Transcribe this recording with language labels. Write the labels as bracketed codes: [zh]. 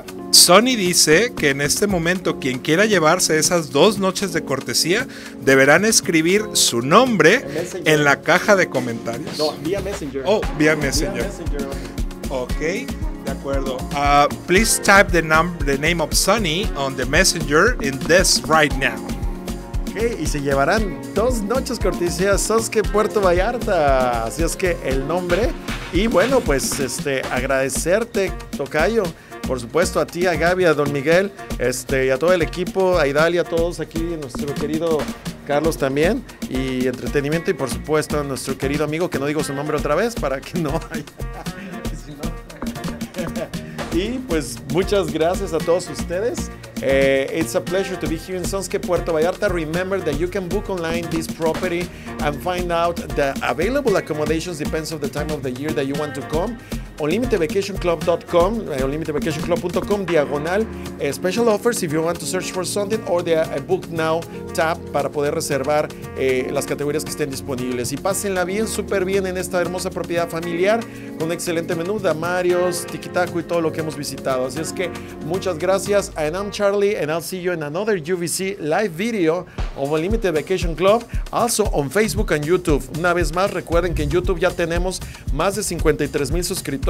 [es] Sony dice que en este momento quien quiera llevarse esas 2 noches de cortesía deberán escribir su nombre en la caja de comentarios. No, vía Messenger. Okay, de acuerdo. [en] Please type the name of Sony on the Messenger in this right now. [es] Okay, y se llevarán 2 noches cortesía Sunscape Puerto Vallarta. Así es que el nombre. Y bueno, pues agradecerte, Tocayo. Por supuesto, a ti, a Gaby, a Don Miguel, y a todo el equipo, a Idalia, a todos aquí, a nuestro querido Carlos también, y entretenimiento, y por supuesto a nuestro querido amigo, que no digo su nombre otra vez, para que no haya... Y pues muchas gracias a todos ustedes. [en] It's a pleasure to be here in Sunscape Puerto Vallarta. Remember that you can book online this property and find out the available accommodations depends on the time of the year that you want to come. [es] UnlimitedVacationClub.com, UnlimitedVacationClub.com, / [en] special offers if you want to search for something, or the book now tab [es] para poder reservar las categorías que estén disponibles. Y pásenla bien, súper bien en esta hermosa propiedad familiar con un excelente menú, damarios, tiquitaco y todo lo que hemos visitado. Así es que muchas gracias. [en] And I'm Charlie, and I'll see you in another UVC live video of Unlimited Vacation Club, also on Facebook and YouTube. [es] Una vez más, recuerden que en YouTube ya tenemos más de 53,000 suscriptores.